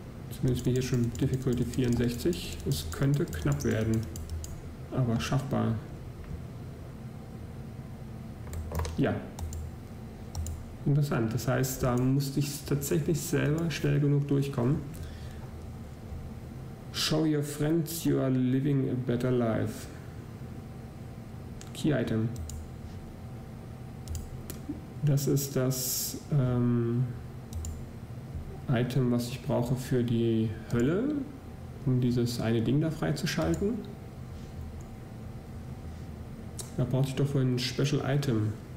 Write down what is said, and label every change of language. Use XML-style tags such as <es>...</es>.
<de>Zumindest bin ich hier schon Difficulty 64. Es könnte knapp werden. Aber schaffbar. Ja. Interessant. Das heißt, da musste ich tatsächlich selber schnell genug durchkommen.</de> <en>Show your friends you are living a better life. Key item.</en> <de>Das ist das Item, was ich brauche für die Hölle, um dieses eine Ding da freizuschalten. Da brauchte ich doch wohl ein Special Item.</de>